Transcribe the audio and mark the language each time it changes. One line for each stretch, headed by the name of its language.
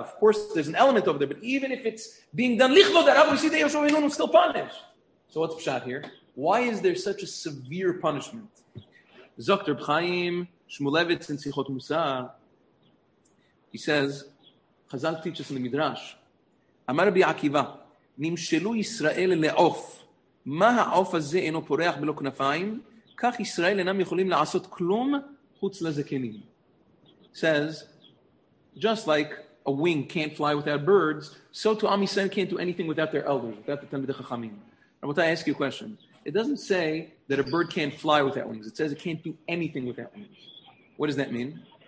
English: Of course, there's an element over there, but even if it's being done Lichvod HaRav, we see that Yoshua Ben-Nun was still punished. So what's Pshat here? Why is there such a severe punishment? Zokter B'chaim Shmulevitz in Sichot Musa, he says, Chazal teaches in the Midrash,
Hebrew: Amar Rabbi Akiva, נמשלו ישראל לעוף. מה העוף הזה אינו פורח בלא כנפיים? כך ישראל אינם יכולים לעשות כלום חוץ לזקנים.
English: Says, just like a wing can't fly without birds, so to Am Yisrael can't do anything without their elders, without the Talmidei Chachamim. Rabotai, I ask you a question. It doesn't say that a bird can't fly without wings. It says it can't do anything without wings. What does that mean?